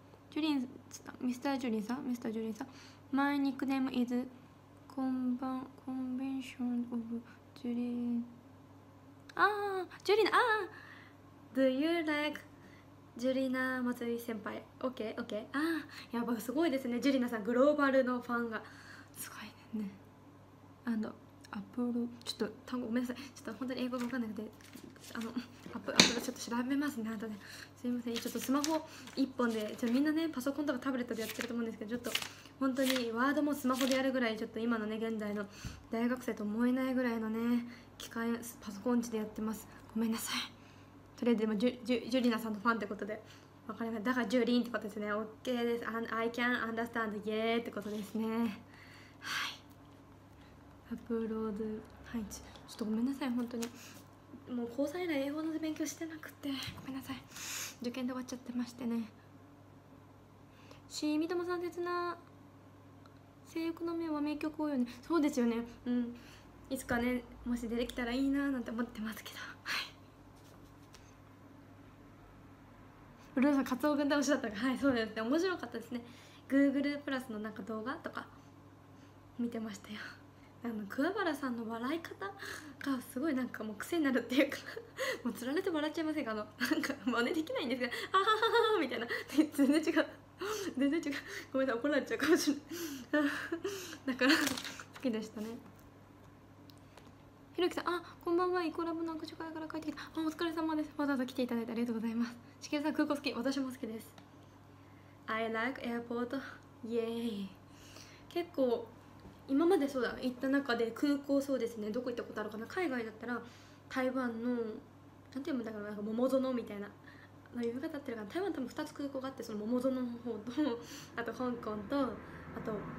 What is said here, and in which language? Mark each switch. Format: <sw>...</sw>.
<en>ジュリンさん、ミスタージュリンさん、ミスタージュリンさん、マイニックネームイズコンベンションオブジュリン。あージュリン、あー Do you like ジュリナ松井先輩、 OK OK。</en> <ja>あーやっぱすごいですね、ジュリナさん、グローバルのファンがすごいね。ね、あのアップル、ちょっと単語ごめんなさい、ちょっと本当に英語が分かんなくて、あのアップルちょっと調べますね、あとで、すいません。ちょっとスマホ一本で、ちょみんなねパソコンとかタブレットでやってると思うんですけど、ちょっと本当にワードもスマホでやるぐらい、ちょっと今のね現代の大学生と思えないぐらいのね機械パソコン値でやってます、ごめんなさい。とりあえずでもジュリナさんのファンってことで分かりました。だからジュリンってことですね。 OK です。</ja> <en>I can understand yeah</en> <ja>ってことですね。はい、アップロード配置、ちょっとごめんなさい、本当にもう高3以来英語の勉強してなくてごめんなさい、受験で終わっちゃってましてね。しみともさん、切な制服の面は名曲多いよね。そうですよね、うん、いつかねもし出てきたらいいななんて思ってますけど、はい。ルーさん、カツオ軍団推しだったか、はい、そうですね、面白かったですね。Google プラスのなんか動画とか見てましたよ。桑原さんの笑い方がすごいなんかもう癖になるっていうか、もうつられて笑っちゃいませんか、あのなんか真似できないんですが、あはははははみたいな、全然違う、全然違う、ごめんなさい、怒られちゃうかもしれないだから好きでしたね。ひろきさん、あこんばんは、イコラブの握手会から帰ってきた、あお疲れ様です、わざわざ来ていただいてありがとうございます。しけるさん、空港好き、私も好きです。</ja> <en>I like airport イエーイ。</en> <ja>結構今までそうだ行った中で空港、そうですね、どこ行ったことあるかな、海外だったら台湾のなんていうんだろう、なんか桃園みたいな呼び方ってるかな、台湾多分2つ空港があって、その桃園の方とあと香港とあと、</ja>